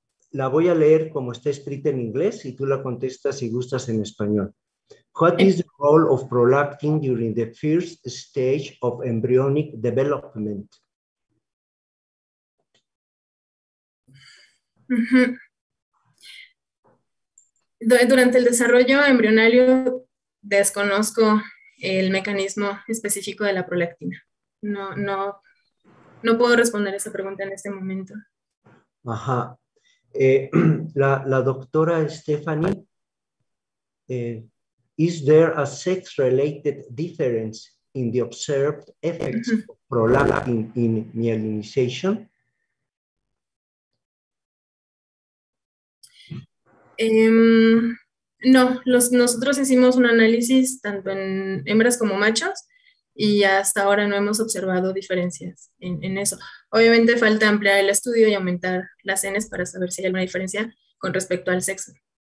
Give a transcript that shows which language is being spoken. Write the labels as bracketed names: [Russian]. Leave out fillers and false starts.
[Spanish] La voy a leer como está escrita en inglés y tú la contestas si gustas en español. [English] What is the role of prolactin during the first stage of embryonic development? [Spanish] Durante el desarrollo embrionario desconozco el mecanismo específico de la prolactina. No puedo responder esa pregunta en este momento. Ajá. La doctora [English] Stephanie, is there a sex-related difference in the observed effects of prolactin in myelinization? [Spanish] No, nosotros hicimos un análisis tanto en hembras como machos y hasta ahora no hemos observado diferencias en eso. Obviamente falta ampliar el estudio y aumentar las N's para saber si hay alguna diferencia con respecto al sexo.